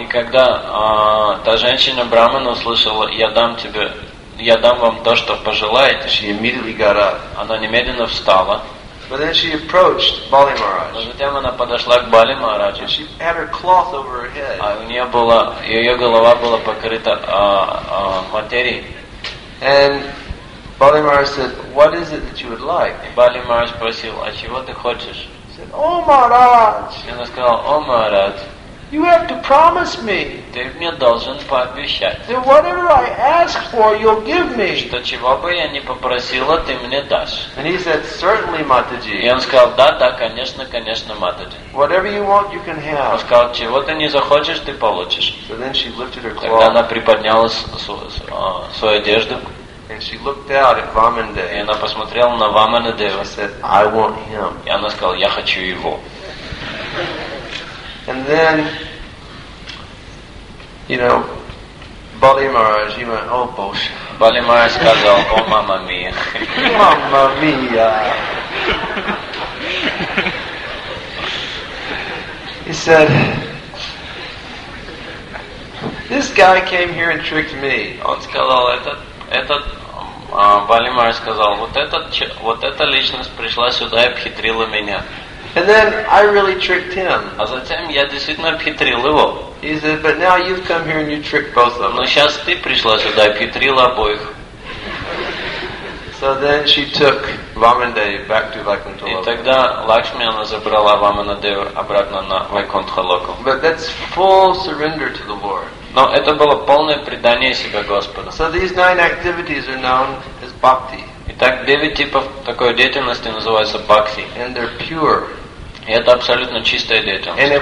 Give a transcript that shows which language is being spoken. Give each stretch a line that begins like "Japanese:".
Russian: И когда та женщина брахмана услышала, я дам тебе, я дам вам то, что пожелаете.
English: She immediately got up.
Russian: Она немедленно встала.
English: But then she approached Bali Maharaj.
Russian: Но затем она подошла к Бали Махараджу.
English: She had her cloth over her head.
Russian: А у нее была, ее голова была покрыта материей.
English: And Bali Maharaj said, "What is it that you would like?"
Russian: Bali Maharaj спросил, а чего ты хочешь?
English: He said, "О, Махарадж."
Russian: И она сказала, о, Махарадж.
English: You have to promise me.
Russian: Ты мне должен пообещать.
English: That whatever I ask for, you'll give me.
Russian: Что чего бы я ни попросила, ты мне дашь.
English: And he said, certainly, Mataji.
Russian: И он сказал, да, да, конечно, конечно, Матаджи.
English: Whatever you want, you can have.
Russian: Он сказал, чего ты не захочешь, ты получишь.
English: So then she lifted her cloth.
Russian: Тогда она приподняла свою одежду.
English: And she looked out at Vamanadeva.
Russian: И она посмотрела на Vamanadeva.
English: She said, I want him.
Russian: И она сказала, я хочу его.
English: And then, you know, Bali Maharaj, he went, oh, bullshit.
Russian: Bali Maharaj сказал,
Italian: oh, mamma mia. Mamma mia.
English: He said, this guy came here and tricked me.
Russian: Он сказал, этот, Bali Maharaj сказал, вот эта личность пришла сюда и обхитрила меня.
English: And then I really tricked him.
Russian: А затем я действительно обхитрил его.
English: He said, but now you've come here and you tricked both of us.
Russian: Но сейчас ты пришла сюда и обхитрила обоих.
English: So then she took Vamanadeva back to Vaikuntha Loka.
Russian: И тогда Лакшми она забрала Vamanadeva обратно на Vaikuntha Loka.
English: But that's full surrender to the Lord.
Russian: Но это было полное предание себя Господу.
English: So these nine activities are known as bhakti.
Russian: Итак, девять типов такой деятельности называются бхакти.
English: And they're pure.
Russian: И это абсолютно чистая деятельность.